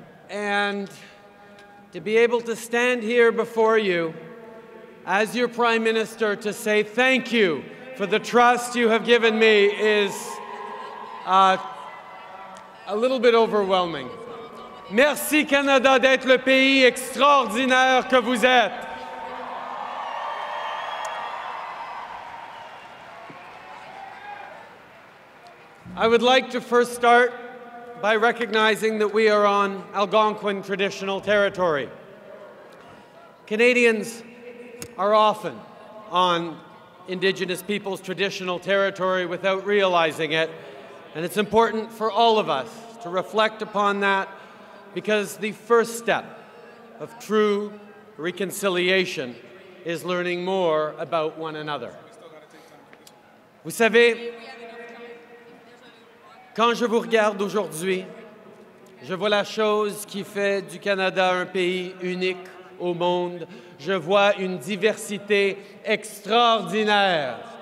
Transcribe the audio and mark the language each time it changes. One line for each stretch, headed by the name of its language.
English: And to be able to stand here before you as your Prime Minister to say thank you for the trust you have given me is a little bit overwhelming.
French: Merci Canada d'être le pays extraordinaire que vous êtes.
English: I would like to first start by recognizing that we are on Algonquin traditional territory. Canadians are often on Indigenous peoples' traditional territory without realizing it, and it's important for all of us to reflect upon that, because the first step of true reconciliation is learning more about one another.
French: Vous savez, quand je vous regarde aujourd'hui, je vois la chose qui fait du Canada un pays unique au monde. Je vois une diversité extraordinaire.